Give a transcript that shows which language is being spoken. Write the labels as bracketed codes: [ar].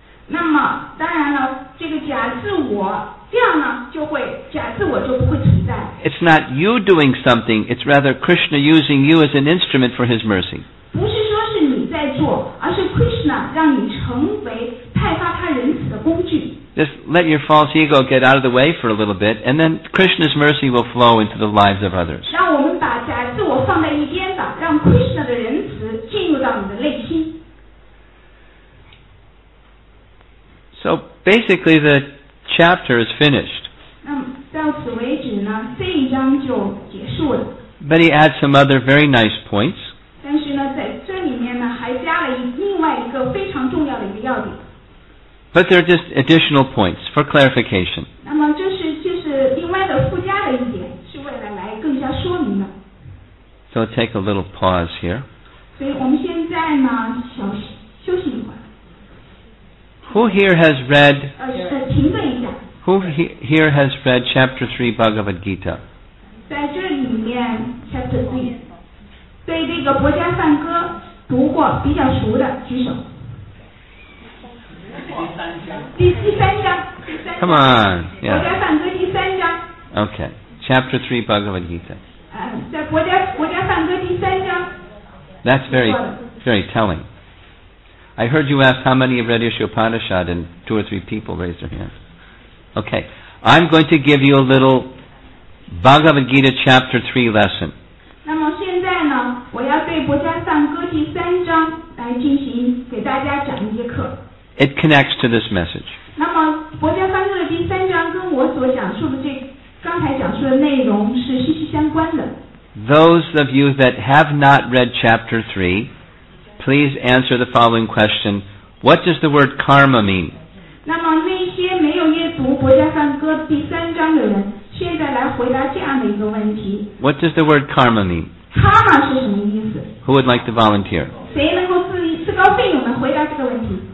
[zh] 那么当然了, 这个假自我,这样呢就会假自我就不会存在。 [en] It's not you doing something, it's rather Krishna using you as an instrument for his mercy. [zh] 不是说是你在做，而是 Krishna 让你成为派发他仁慈的工具。 [en] Just let your false ego get out of the way for a little bit, and then Krishna's mercy will flow into the lives of others. [zh] 让我们把假自我放在一边吧，让 Krishna 的仁慈进入到你的内心。 [en] So basically, the chapter is finished. [zh] 到此为止呢，这一章就结束了。 [en] But he adds some other very nice points. [zh] 但是呢，在这里面呢，还加了另外一个非常重要的一个要点。 [en] But they're just additional points for clarification. [zh] 那么就是另外的附加的一点，是为了来更加说明的。 [en] So take a little pause here. [zh] 所以我们现在呢，小休息一会儿。 [en] Who here has read? [zh] 停顿一下。 [en] Who here has read chapter 3 Bhagavad Gita? [zh] 在这里面 ， [en] chapter 3， [zh] 对这个《薄伽梵歌》读过比较熟的举手。第三章。 [en] Come on. Yeah. [zh] 薄伽梵歌第三章。 [en] Okay. Chapter 3 Bhagavad Gita. [zh] 在薄伽梵歌第三章。 [en] That's very, very telling. I heard you ask how many have read Ishopanishad, and two or three people raised their hands. Okay. I'm going to give you a little Bhagavad Gita Chapter 3 lesson. [zh] 那么现在呢，我要对薄伽梵歌第三章来进行给大家讲一节课。 [en] It connects to this message. [zh] 那么薄伽梵歌的第三章跟我所讲述的这刚才讲述的内容是息息相关的。 [en] Those of you that have not read chapter 3, please answer the following question. What does the word karma mean? [zh] 那么那些没有阅读薄伽梵歌第三章的人现在来回答这样的一个问题。 [en] What does the word karma mean? [zh] Karma 是什么意思? [en] Who would like to volunteer? [zh] 谁能够自告奋勇地回答这个问题?